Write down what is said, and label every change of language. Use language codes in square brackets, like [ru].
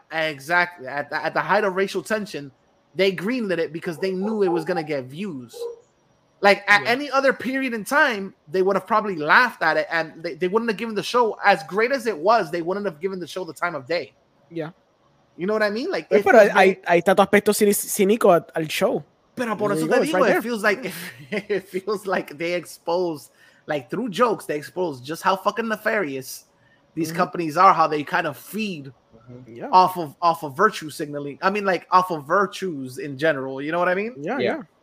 [en] At the height of racial tension, they greenlit it because they knew it was gonna get views. Like at any other period in time, they would have probably laughed at it and they wouldn't have given the show, as great as it was, they wouldn't have given the show the time of day. Yeah. You know what I mean? Like, [es] pues, pero ahí está tu aspecto cínico al show. Pero por eso te digo, [en] it feels like they expose, like through jokes, they expose just how fucking nefarious these mm-hmm. companies are, how they kind of feed yeah. off of virtue signaling. I mean, like off of virtues in general. You know what I mean? Yeah.